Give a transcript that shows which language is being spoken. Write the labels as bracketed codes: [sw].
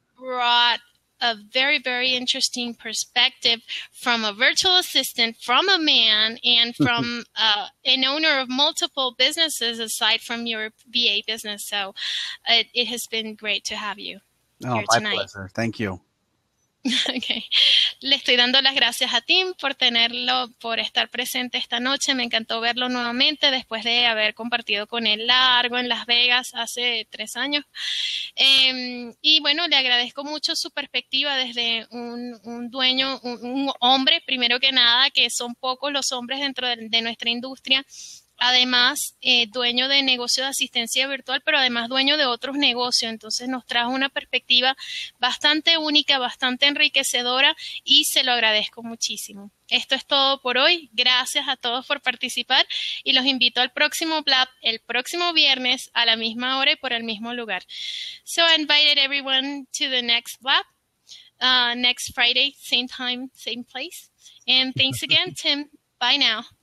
[en] Have brought a very, very interesting perspective from a virtual assistant, from a man, and from an owner of multiple businesses aside from your VA business. So it has been great to have you here tonight. Oh, my pleasure. Thank you. Okay. [es] Le estoy dando las gracias a Tim por tenerlo, por estar presente esta noche. Me encantó verlo nuevamente después de haber compartido con él largo en Las Vegas hace 3 años. Y bueno, le agradezco mucho su perspectiva desde un dueño, un hombre, primero que nada, que son pocos los hombres dentro de nuestra industria. Además, dueño de negocio de asistencia virtual, pero además dueño de otros negocios. Entonces, nos trajo una perspectiva bastante única, bastante enriquecedora y se lo agradezco muchísimo. Esto es todo por hoy. Gracias a todos por participar y los invito al próximo Blab el próximo viernes a la misma hora y por el mismo lugar. [en] So, I invited everyone to the next Blab, next Friday, same time, same place. And thanks again, Tim. Bye now.